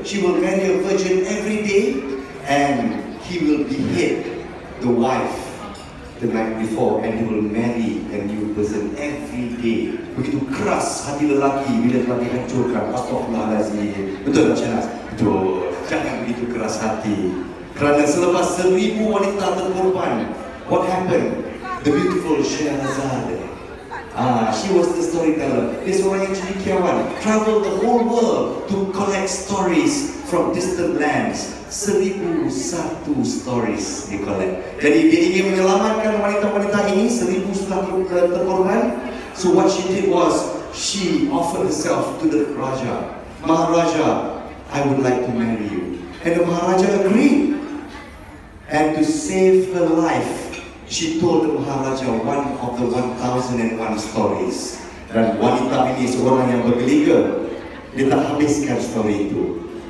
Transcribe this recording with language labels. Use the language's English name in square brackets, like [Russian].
[English] She will marry a virgin every day and he will behead the wife the night before and he will marry a new person every day. [Malay] Begitu keras hati lelaki bila telah dihancurkan. Astaghfirullahaladzim. Betul tak Cianas? Betul. Jangan begitu keras hati. Kerana selepas 1000 wanita terkorban, [English] what happened? The beautiful Syahzade. She was the storyteller. This [Malay] orang yang cendekiawan. [English] Traveled the whole world to collect stories from distant lands. 1001 stories di collect. [Malay] Jadi dia ingin menyelamatkan wanita-wanita ini, 1000 setelah terkorban. [English] So what she did was, she offered herself to the Raja. Maharaja, I would like to marry you. And the Maharaja agreed. And to save her life, she told the Maharaja one of the 1001 stories. [Malay] Dan wanita ini seorang yang bergeliga. Dia tak habiskan story itu.